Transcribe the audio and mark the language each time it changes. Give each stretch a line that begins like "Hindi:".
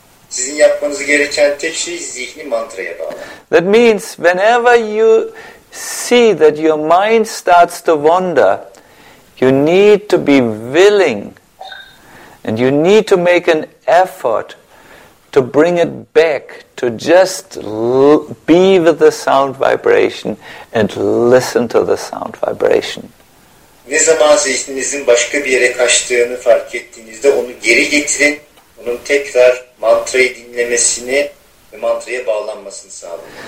Turkish: Sizin yapmanız gereken tek şey zihni mantraya bağlamak.
English: That means whenever you see that your mind starts to wander, you need to be willing and you need to make an effort to bring it back, to just be with the sound vibration and listen to the sound vibration.
Turkish: Ne zaman zihninizin başka bir yere kaçtığını fark ettiğinizde onu geri getirin, onun tekrar mantrayı dinlemesini ve mantraya bağlanmasını sağlayın.